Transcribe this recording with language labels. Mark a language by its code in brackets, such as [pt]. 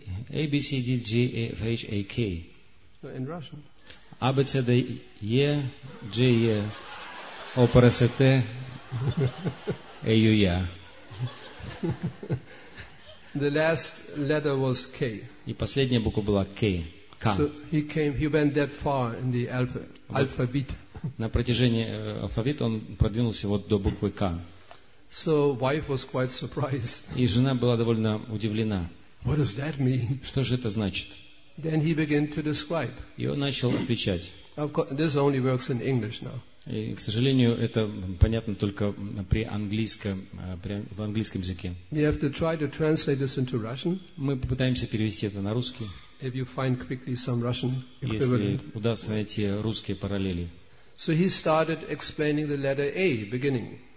[en] A B C D G F H A K. In Russian. A B C D E G E O P R S T E U Y. The last letter was K. [ru] И последняя буква была K. K. [en] So he came, he went that far in the alphabet. [ru] На протяжении алфавита он продвинулся вот до буквы K. [en] So wife was quite surprised. [ru] И жена была довольно удивлена. [en] What does that mean? [ru] Что же это значит? [en] Then he began to describe. [ru] И он начал отвечать. [en] Of course, this only works in English now. [ru] И, к сожалению, это понятно только в английском языке. [en] We have to try to translate this into Russian. [ru] Мы попытаемся перевести это на русский. [en] If you find quickly some Russian equivalent. [ru] Если удастся найти русские параллели. [en] So he started explaining the letter A, beginning.